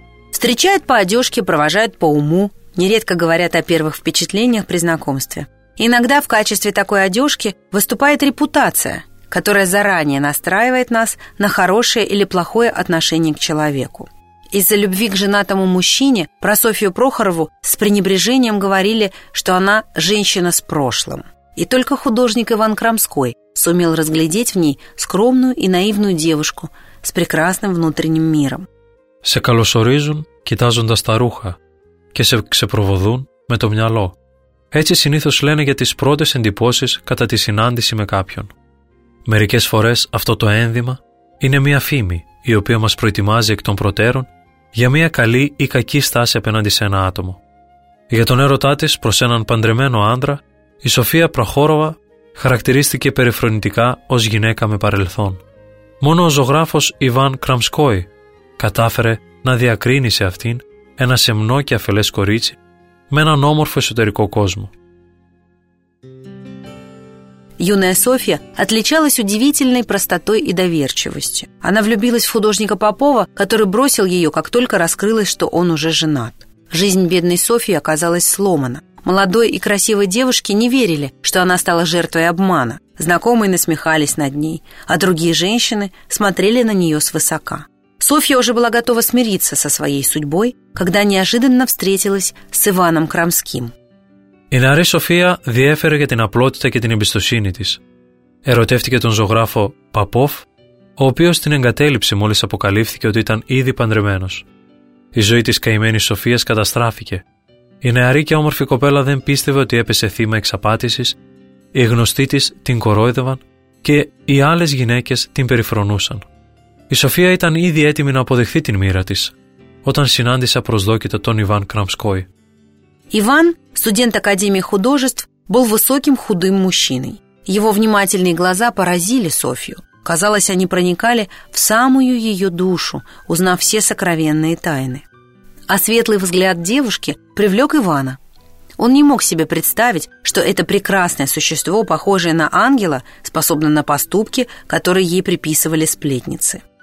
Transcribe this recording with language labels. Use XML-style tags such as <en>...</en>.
<ru>Встречают по одежке, провожают по уму, нередко говорят о первых впечатлениях при знакомстве. Иногда в качестве такой одежки выступает репутация, которая заранее настраивает нас на хорошее или плохое отношение к человеку. Из-за любви к женатому мужчине про Софью Прохорову с пренебрежением говорили, что она женщина с прошлым. И только художник Иван Крамской сумел разглядеть в ней скромную и наивную девушку с прекрасным внутренним миром.</ru> <el>Σε καλωσορίζουν κοιτάζοντας τα ρούχα και σε ξεπροβοδούν με το μυαλό. Έτσι συνήθως λένε για τις πρώτες εντυπώσεις κατά τη συνάντηση με κάποιον. Μερικές φορές αυτό το ένδυμα είναι μια φήμη η οποία μας προετοιμάζει εκ των προτέρων για μια καλή ή κακή στάση απέναντι σε ένα άτομο. Για τον έρωτά της προς έναν παντρεμένο άντρα, η Σοφία Προχώρωβα χαρακτηρίστηκε περιφρονητικά ως γυναίκα με παρελθόν. Μόνο ο ζωγράφος Ιβάν Κραμσκόη κατάφερε να διακρίνει σε αυτήν ένα σεμνό και αφελές κορίτσι με έναν όμορφο εσωτερικό κόσμο.</el> <ru>Юная Софья отличалась удивительной простотой и доверчивостью. Она влюбилась в художника Попова, который бросил ее, как только раскрылось, что он уже женат. Жизнь бедной Софьи оказалась сломана. Молодой и красивой девушке не верили, что она стала жертвой обмана. Знакомые насмехались над ней, а другие женщины смотрели на нее свысока. Софья уже была готова смириться со своей судьбой, когда неожиданно встретилась с Иваном Крамским.</ru> <el>Η νεαρή Σοφία διέφερε για την απλότητα και την εμπιστοσύνη της. Ερωτεύτηκε τον ζωγράφο Παπόφ, ο οποίος την εγκατέλειψε μόλις αποκαλύφθηκε ότι ήταν ήδη παντρεμένος. Η ζωή της καημένης Σοφίας καταστράφηκε. Η νεαρή και όμορφη κοπέλα δεν πίστευε ότι έπεσε θύμα εξαπάτησης, οι γνωστοί της την κορόιδευαν και οι άλλες γυναίκες την περιφρονούσαν. Η Σοφία ήταν ήδη έτοιμη να αποδεχθεί την μοίρα της, όταν συνάντησε απροσδόκητα τον Ιβάν Κραμσκόη.</el> <ru>Иван, студент Академии художеств, был высоким худым мужчиной. Его внимательные глаза поразили Софью. Казалось, они проникали в самую ее душу, узнав все сокровенные тайны. А светлый взгляд девушки привлек Ивана. Он не мог себе представить, что это прекрасное существо, похожее на ангела, способно на поступки, которые ей приписывали сплетницы.</ru>